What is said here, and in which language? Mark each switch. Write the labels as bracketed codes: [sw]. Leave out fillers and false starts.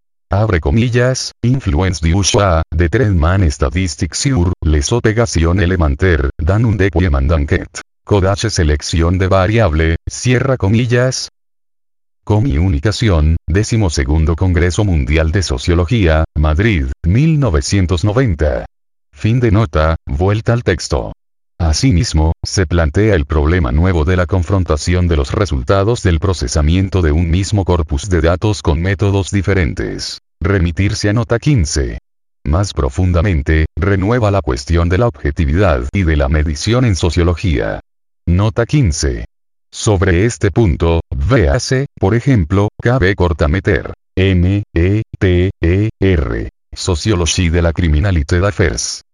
[es] Abre comillas, [fr] Influence du choix, de Trendman Statistics sur, les opérations élémentaires, dans un déploiement d'enquête. [es] Codage selección de variable, cierra comillas. Comunicación, 12º Congreso Mundial de Sociología, Madrid, 1990. Fin de nota, vuelta al texto. Asimismo, se plantea el problema nuevo de la confrontación de los resultados del procesamiento de un mismo corpus de datos con métodos diferentes. Remitirse a nota 15. Más profundamente, renueva la cuestión de la objetividad y de la medición en sociología. Nota 15. Sobre este punto, véase, por ejemplo, cabe corta meter. M. E. T. E. R. [fr] Sociologie de la criminalité d'affaires.